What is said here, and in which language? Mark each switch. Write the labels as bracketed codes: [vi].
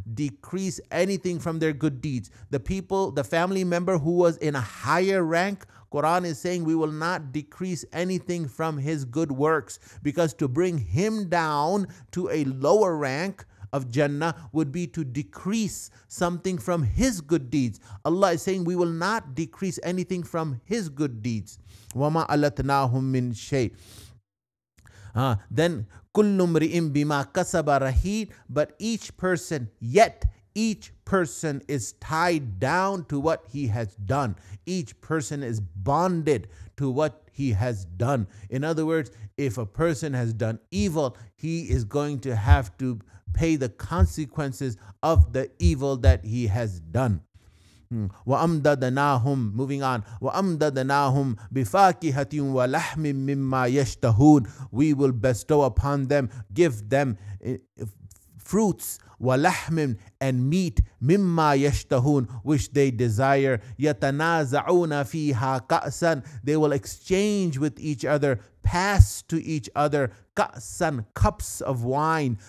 [en] decrease anything from their good deeds. The people, the family member who was in a higher rank, Quran is saying we will not decrease anything from his good works, because to bring him down to a lower rank of Jannah would be to decrease something from his good deeds. Allah is saying we will not decrease anything from his good deeds. [ar] وَمَا أَلَتْنَاهُمْ مِنْ شَيْءٍ. [en] Then [ar] كُلُّ مْرِئٍ بِمَا كَسَبَ رَهِيدٍ. [en] But each person, yet each person is tied down to what he has done. Each person is bonded to what he has done. In other words, if a person has done evil, he is going to have to pay the consequences of the evil that he has done. [ar] وَأَمْدَدَنَاهُمْ, [en] moving on, [ar] وَأَمْدَدَنَاهُمْ بِفَاكِهَةٍ وَلَحْمٍ مِمَّا يَشْتَهُونَ. [en] We will bestow upon them, give them fruits, وَلَحْمٍ, and meat, [ar] مِمَّا يَشْتَهُونَ, [en] which they desire. [ar] يَتَنَازَعُونَ فِيهَا كَأْسًا. [en] They will exchange with each other, pass to each other, كَأْسًا, cups of wine.